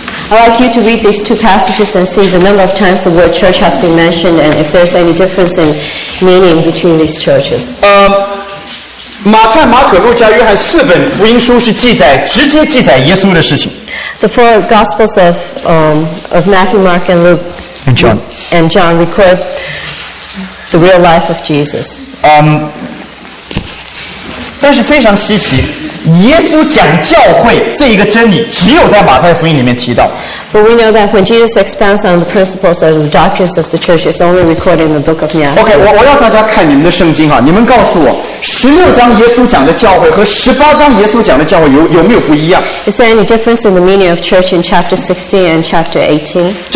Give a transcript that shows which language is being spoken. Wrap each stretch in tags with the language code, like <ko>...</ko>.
<en>I'd like you to read these two passages and see the number of times the word church has been mentioned and if there's any difference in meaning between these churches.</en> <zh>马太、马可、路加、约翰四本福音书是直接记载耶稣的事情。The</zh> <en>four Gospels of Matthew, Mark, and Luke and John. And John record the real life of Jesus.</en> <zh>但是非常稀奇，耶稣讲教会这一个真理只有在马太福音里面提到。But</zh> <en>we know that when Jesus expounds on the principles of the doctrines of the church, it's only recorded in the book of Matthew.</en> <zh>Okay, 我让大家看你们的圣经哈，你们告诉我，16章耶稣讲的教会和18章耶稣讲的教会有没有不一样？Is</zh> <en>there any difference in the meaning of church in chapter 16 and chapter 18?</en>